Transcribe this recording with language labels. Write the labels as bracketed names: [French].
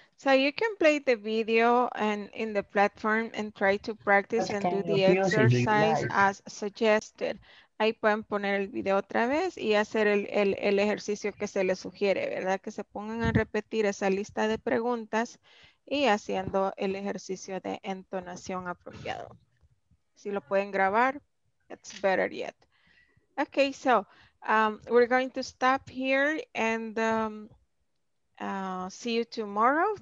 [English] So, you can play the video and in the platform and try to practice and do the exercise as suggested. [Spanish] Ahí pueden poner el video otra vez y hacer el ejercicio que se les sugiere, ¿verdad? Que se pongan a repetir esa lista de preguntas y haciendo el ejercicio de entonación apropiado. Si lo pueden grabar, [English] it's better yet. Okay, so we're going to stop here and see you tomorrow.